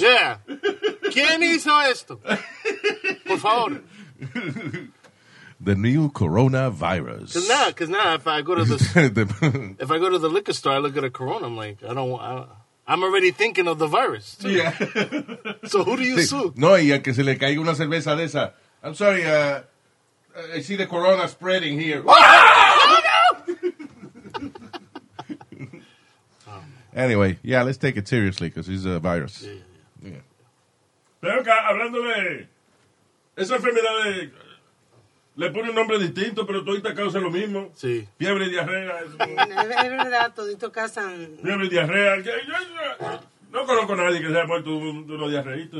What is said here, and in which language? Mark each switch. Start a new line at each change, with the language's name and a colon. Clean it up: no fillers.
Spanish: Yeah. ¿Quién hizo esto? Por favor.
English: The new coronavirus. Because now if I go to the liquor store, I look at a Corona, I'm like, I'm already thinking of the virus. Too. Yeah. So who do you sue?
Spanish: No, y a que se le caiga una cerveza de esa.
English: I'm sorry, I see the Corona spreading here. Oh, no! Anyway, yeah, let's take it seriously because it's a virus. Yeah.
Spanish: Pero hablándole, esa enfermedad le pone un nombre distinto, pero todita causa lo mismo. Sí. Fiebre y diarrea. Es verdad, todito causan... Fiebre y diarrea. No conozco a nadie que se haya muerto de unos diarreitos.